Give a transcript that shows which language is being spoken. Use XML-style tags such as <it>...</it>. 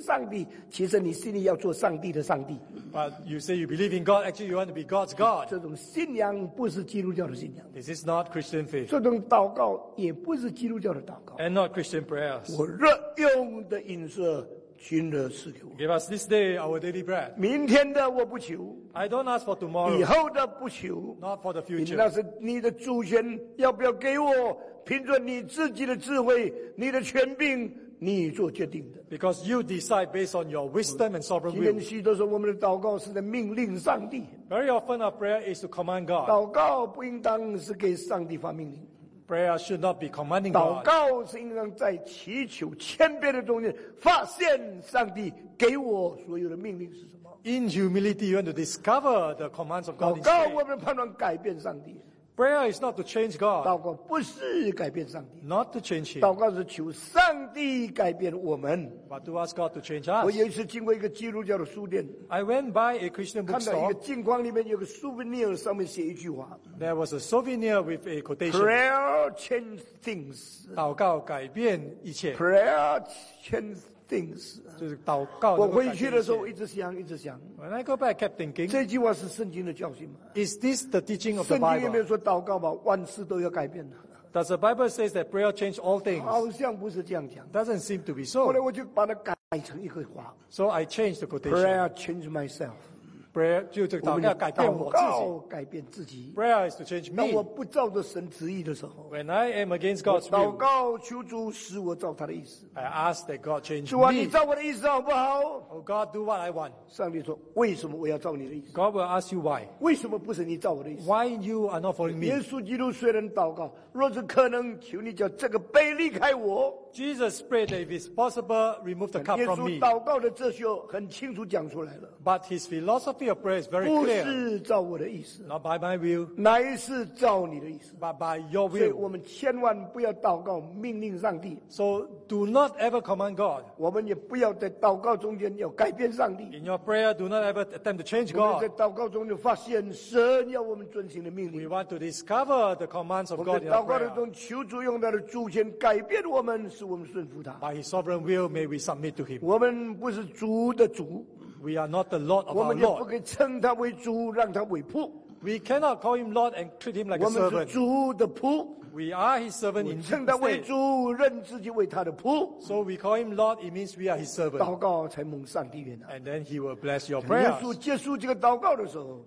<zh>上帝，其实你心里要做上帝的上帝。</zh> <en>But you say you believe in God, actually you want to be God's God.</en> <zh>这种信仰不是基督教的信仰。</zh> <en>This is not Christian faith.</en> <zh>这种祷告也不是基督教的祷告。</zh> <en>And not Christian prayers.</en> <zh>我日用的饮食，今日赐给我。</zh> <en>Give us this day our daily bread.</en> <zh>明天的我不求。</zh> <en>I don't ask for tomorrow.</en> <zh>以后的不求。</zh> <en>Not for the future.</en> <zh>那是你的主权，要不要给我？凭着你自己的智慧，你的权柄。你做决定的</zh> <en>，because you decide based on your wisdom and sovereign will。</en> <zh>今天许多时候我们的祷告是在命令上帝。</zh> <en>Very often our prayer is to command God。</en> <zh>祷告不应当是给上帝发命令。</zh> <en>Prayer should not be commanding God。</en> <zh>祷告是应当在祈求谦卑的中间发现上帝给我所有的命令是什么。</zh> <en>In humility, you want to discover the commands of God.</en> <zh>祷告我们盼望改变上帝。</zh> <en>Prayer is not to change God.</en> <zh>祷告不是改变上帝。</zh> <en>Not to change Him.</en> <zh>祷告是求上帝改变我们。</zh> <en>But to ask God to change us.</en> <zh>我有一次经过一个基督教的书店。</zh> <en>I went by a Christian bookstore.</en> <zh>看到一个镜框里面有个 souvenir， 上面写一句话。</zh> <en>There was a souvenir with a quotation. Prayer changes things.</en> <zh>祷告改变一切。</zh> <en>Prayer changes things.</en> <zh>就是祷告。我回去的时候一直想，一直想。</zh> <en>When I go back, I kept thinking.</en> <zh>这句话是圣经的教训吗？</zh> <en>Is this the teaching of the Bible?</en> <zh>圣经有没有说祷告吧，万事都要改变的？</zh> <en>Does the Bible say that prayer changes all things?</en> <zh>好像不是这样讲。</zh> <en>Doesn't seem to be so.</en> <zh>后来我就把它改成一个话。</zh> <en>So I changed the quotation. Prayer changes myself.</en> <zh>Prayer 就这个祷告改变我自己。祷告改变自己。</zh> <en>Prayer is to change me.</en> <zh>当我不照着神旨意的时候。</zh> <en>When I am against God's will.</en> <zh>祷告求主使我照他的意思。</zh> <en>I ask that God change me.</en> <zh>主啊，你照我的意思好不好</zh> <en>？Oh God, do what I want.</en> <zh>上帝说，为什么我要照你的意思</zh> <en>？God will ask you why.</en> <zh>为什么不是你照我的意思</zh> <en>？Why you are not following me?</en> <zh>耶稣基督虽然祷告，若是可能，求你叫这个杯离开我。</zh> <en>Jesus prayed that if it's possible, remove the cup from me.</en> <zh>耶稣祷告的哲学很清楚讲出来了。</zh> <en>But his philosophy of prayer is very clear.</en> <zh>不是照我的意思。</zh> <en>Not by my will.</en> <zh>乃是照你的意思。</zh> <en>But by your will.</en> <zh>所以我们千万不要祷告命令上帝。</zh> <en>So do not ever command God.</en> <zh>我们也不要在祷告中间要改变上帝。</zh> <en>In your prayer, do not ever attempt to change God.</en> <zh>我们在祷告中间发现神要我们遵行的命令。</zh> <en>We want to discover the commands of God in prayer.</en> <zh>我们在祷告中求主用他的主权改变我们。</zh> <en>By His sovereign will, may we submit to Him.</en> <zh>我们不是主的主。</zh> <en>We are not the Lord of our Lord.</en> <zh>我们也不可以称他为主，让他为仆。</zh> <en>We cannot call Him Lord and treat Him like a servant.</en> <zh>我们是主的仆。</zh> <en>We are His servant in truth.</en> <zh>称他为主，认自己为他的仆。</zh> <en>So we call Him Lord, it means we are His servant.</en> <zh>祷告才蒙上帝悦纳。</zh> <en>And then He will bless your prayers.</en> <zh>耶稣结束这个祷告的时候</zh>